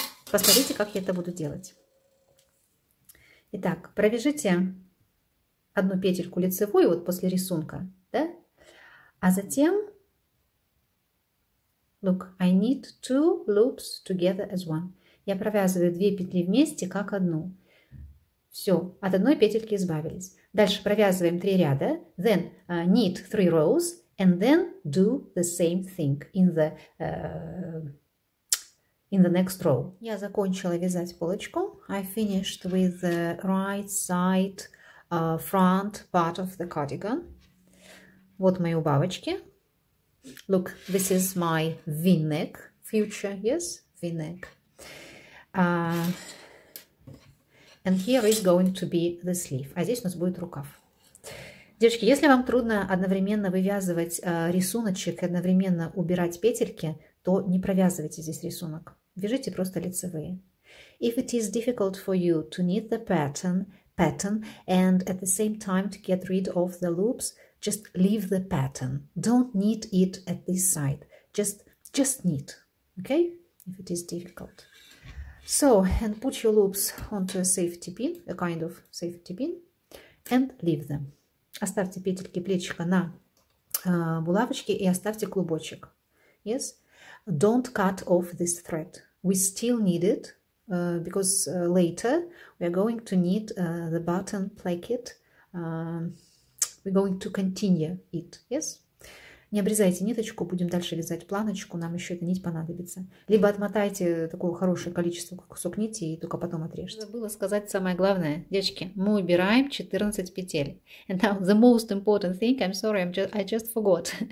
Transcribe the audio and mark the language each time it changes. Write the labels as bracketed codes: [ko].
[ru] Посмотрите, как я это буду делать. Итак, провяжите одну петельку лицевую, вот после рисунка, да? А затем, [en] look, I need two loops together as one. [ru] Я провязываю две петли вместе, как одну. Все, от одной петельки избавились. Дальше провязываем три ряда. [en] Then knit three rows. And then do the same thing in the next row. [ru] Я закончила вязать полочку. [en] I finished with the right side front part of the cardigan. [ru] Вот мои убавочки. [en] Look, this is my V-neck future. Yes, V-neck. And here is going to be the sleeve. [ru] А здесь у нас будет рукав. Девочки, если вам трудно одновременно вывязывать рисуночек и одновременно убирать петельки, то не провязывайте здесь рисунок. Вяжите просто лицевые. [en] If it is difficult for you to knit the pattern and at the same time to get rid of the loops, just leave the pattern. Don't knit it at this side. Just knit. Okay? If it is difficult. So, and put your loops onto a safety pin, a kind of safety pin, and leave them. [ru] Оставьте петельки плечика на булавочке и оставьте клубочек. [en] Yes? Don't cut off this thread. We still need it. because later we are going to need the button placket. We're going to continue it, yes? [ru] Не обрезайте ниточку, будем дальше вязать планочку, нам еще эта нить понадобится. Либо отмотайте такое хорошее количество кусок нити и только потом отрежьте. Забыла сказать самое главное. Девочки, мы убираем 14 петель. [en] And now the most important thing, I'm sorry, I just forgot.